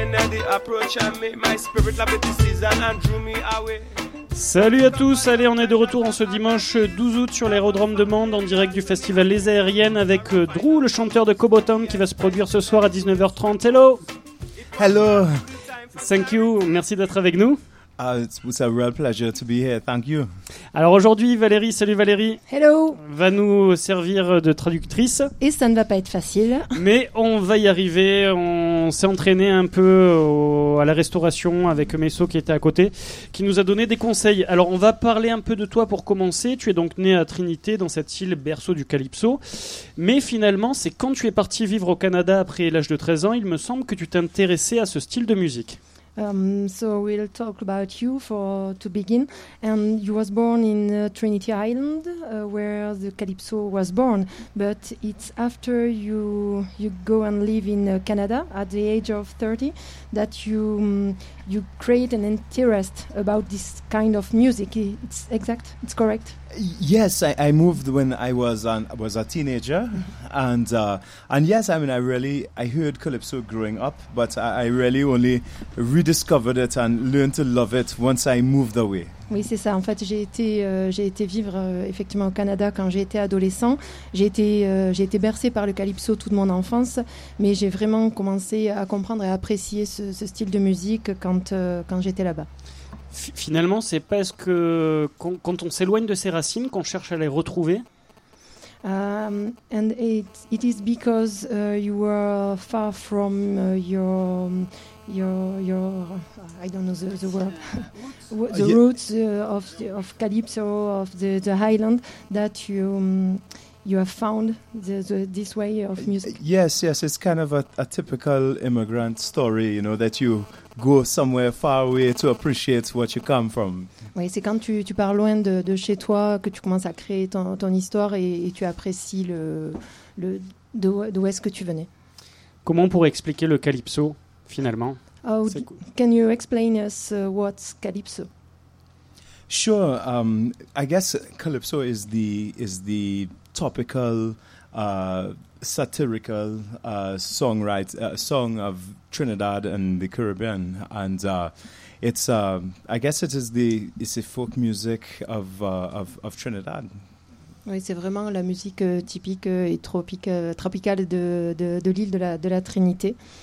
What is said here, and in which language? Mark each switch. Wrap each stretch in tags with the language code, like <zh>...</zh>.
<en>the approach and make my spirit love the season and drew me away.</en> <fr>Salut à tous, allez, on est de retour en ce dimanche 12 août sur l'aérodrome de Mende en direct du festival Les Aériennes avec Drew, le chanteur de Cobotan qui va se produire ce soir à 19h30.</fr> <en>Hello! Hello! Thank you, merci d'être avec nous. It's a real pleasure to be here, thank you.</en> <fr>Alors aujourd'hui, Valérie, salut Valérie.</fr> <en>Hello.</en> <fr>Va nous servir de traductrice. Et ça ne va pas être facile. Mais on va y arriver, on s'est entraîné un peu à la restauration avec Meso qui était à côté, qui nous a donné des conseils. Alors on va parler un peu de toi pour commencer. Tu es donc né à Trinité, dans cette île berceau du Calypso. Mais finalement, c'est quand tu es parti vivre au Canada après l'âge de 13 ans, il me semble que tu t'intéressais à ce style de musique.</fr> <en>So we'll talk about you to begin. And you was born in Trinity Island, where the calypso was born. But it's after you go and live in Canada at the age of 30 that you create an interest about this kind of music. It's exact. It's correct. Yes, I moved when I was a teenager, mm-hmm. and yes, I mean I heard calypso growing up, but I really only rediscovered it and learned to love it once I moved away.</en> <fr>Oui, c'est ça. En fait, j'ai été vivre effectivement au Canada quand j'étais adolescent. J'ai été bercée par le calypso toute mon enfance, mais j'ai vraiment commencé à comprendre et à apprécier ce style de musique quand j'étais là-bas. Finalement, c'est parce que quand on s'éloigne de ses racines qu'on cherche à les retrouver.</fr> <en>And it is because you were far from your I don't know the word the roots of calypso of the highland that you have found this way of music. Yes, it's kind of a typical immigrant story, you know, that you go somewhere far away to appreciate what you come from.</en> <fr>Oui, c'est quand tu pars loin de chez toi que tu commences à créer ton histoire et tu apprécies le d'où est-ce que tu venais. Comment on pourrait expliquer le calypso finalement?</fr> <en>Can you explain us what's calypso? Sure, I guess calypso is the topical satirical song of Trinidad and the Caribbean, and it's a folk music of Trinidad.</en> <fr>Oui, c'est vraiment la musique typique et tropicale de l'île de la Trinité.</fr>